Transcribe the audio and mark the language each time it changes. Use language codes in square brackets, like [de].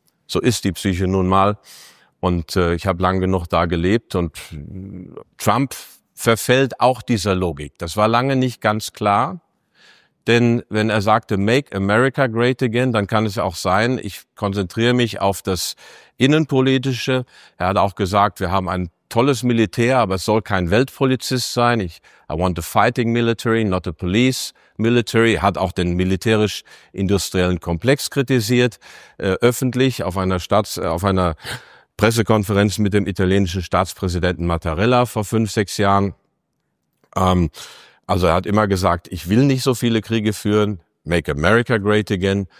[de] so ist die Psyche nun mal. Und ich habe lang genug da gelebt und Trump verfällt auch dieser Logik. Das war lange nicht ganz klar, denn wenn er sagte, [en] make America great again, [de] dann kann es auch sein, ich konzentriere mich auf das Innenpolitische. Er hat auch gesagt, wir haben ein tolles Militär, aber es soll kein Weltpolizist sein. [en] I want a fighting military, not a police military. [de] Hat auch den militärisch-industriellen Komplex kritisiert, öffentlich auf einer Pressekonferenz mit dem italienischen Staatspräsidenten Mattarella vor 5-6 Jahren. Also er hat immer gesagt, ich will nicht so viele Kriege führen, [en] make America great again.